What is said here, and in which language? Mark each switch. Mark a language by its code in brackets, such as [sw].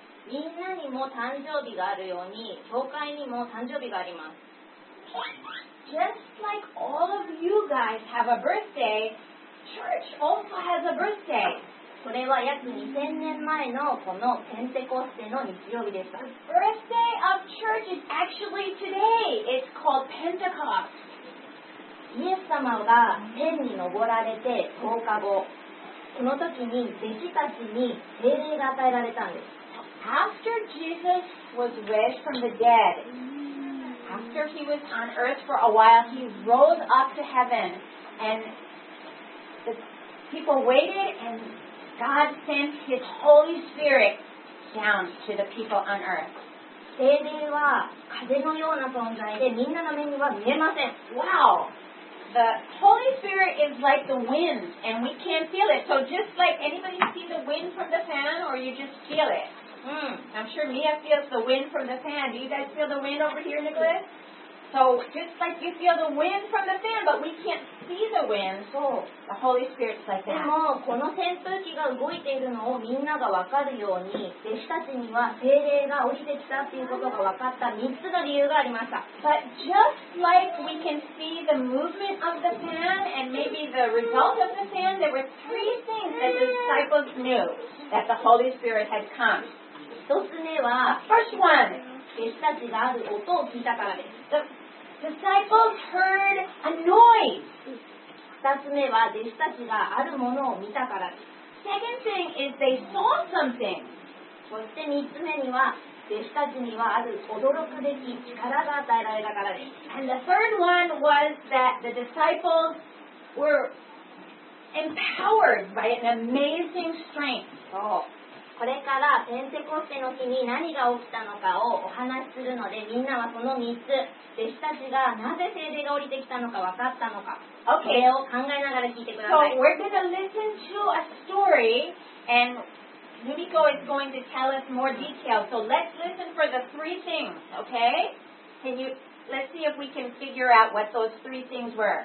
[ja] みんなにも誕生日があるように、教会にも誕生日があります。 [en] Just like all of you guys have a birthday, church also has a birthday. [ja] これは約2000年前のこのペンテコステの日曜日でした。 [en] The birthday of church is actually today. It's called Pentecost. [ja] イエス様が天に昇られて10日後、その時に弟子たちに聖霊が与えられたんです。 [en] After Jesus was raised from the dead, after he was on earth for a while, he rose up to heaven, and the people waited, and God sent his Holy Spirit down to the people on earth. [ja] 聖霊は風のような存在で、みんなの目には見えません。 [en] Wow! The Holy Spirit is like the wind, and we can't feel it. So just like anybody see the wind from the fan, or you just feel it? I'm sure Mia feels the wind from the fan. Do you guys feel the wind over here, Nicholas? So just like you feel the wind from the fan, but we can't see the wind. So the Holy Spirit's like that. [ja] でもこの扇風機が動いているのをみんながわかるように、弟子たちには聖霊が降りてきたっていうことがわかった三つの理由がありました。 [en] But just like we can see the movement of the fan and maybe the result of the fan, there were three things that the disciples knew that the Holy Spirit had come. [ja] 1つ目は、 [en] First one. [ja] 弟子たちがある音を聞いたからです。 [en] The disciples heard a noise. [ja] 2つ目は、弟子たちがあるものを見たからです。 [en] Second thing is they saw something. [ja] そして3つ目には、弟子たちにはある驚くべき力が与えられたからです。 [en] And the third one was that the disciples were empowered by an amazing strength. [ja] そう。これからペンテコステの日に何が起きたのかをお話しするのでみんなはその3つ弟子たちがなぜ聖霊が降りてきたのか分かったのか、 [en] okay. [ja] それを考えながら聞いてください [en] So we're going to listen to a story and Yumiko is going to tell us more details So let's listen for the three things, okay? Can you, let's see if we can figure out what those three things were、